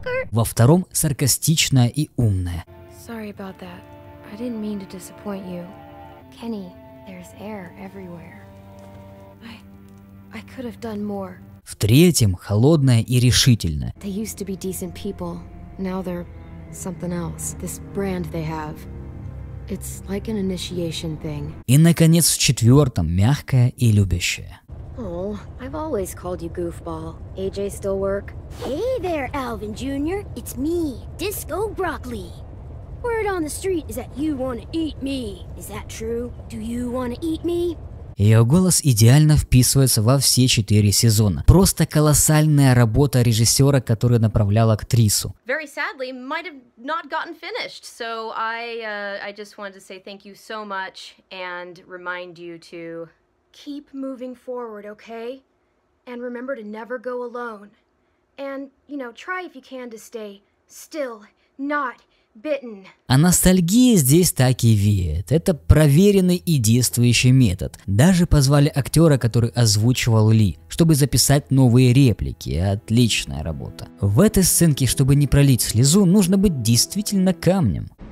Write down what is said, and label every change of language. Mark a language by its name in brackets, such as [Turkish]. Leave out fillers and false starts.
[Russian] Во втором саркастичная и умная. [English] Sorry about that. I didn't mean to disappoint you. Kenny, there's air everywhere. I could have done more. [Russian] В третьем холодная и решительная. [English] They used to be decent people. Now they're something else. This brand they have. It's like an initiation thing. [Russian] И наконец в четвертом мягкая и любящая. [English] Oh, I've always called you goofball. AJ still work? Hey there, Alvin Jr. It's me, Disco Broccoli. Word on the street is that you want to eat me. Is that true? Do you want to eat me? [Russian] Ее голос идеально вписывается во все 4 сезона. Просто колоссальная работа режиссера, который направлял актрису. [English] Very sadly, might have not gotten finished. So I just wanted to say thank you so much and remind you to keep moving forward, okay? And remember to never go alone. And, you know, try if you can to stay still, not bitten. [Russian] А ностальгия здесь так и веет. Это проверенный и действующий метод. Даже позвали актера, который озвучивал Ли, чтобы записать новые реплики. Отличная работа. В этой сценке, чтобы не пролить слезу, нужно быть действительно камнем.